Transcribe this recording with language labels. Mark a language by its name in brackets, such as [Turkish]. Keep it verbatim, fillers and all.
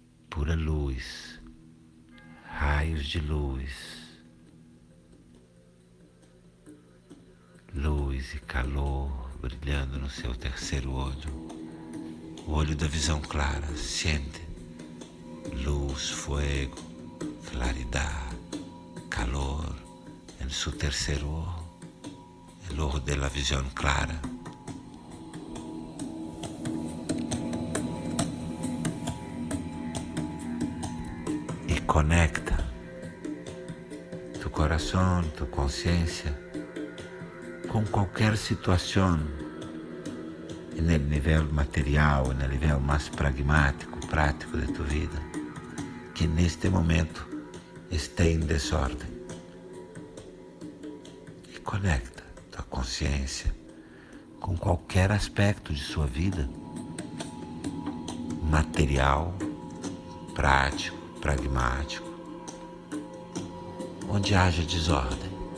[Portuguese] Pura luz, raios de luz, luz e calor brilhando no seu terceiro olho, o olho da visão clara. Sente luz, fuego, claridade, calor em seu terceiro olho. [Spanish] El ojo de la visión clara. Y conecta tu corazón, tu conciencia con cualquier situación en el nivel material, en el nivel más pragmático, práctico de tu vida, que en este momento esté en desorden. [Portuguese] Y conecta a consciência com qualquer aspecto de sua vida, material, prático, pragmático, onde haja desordem.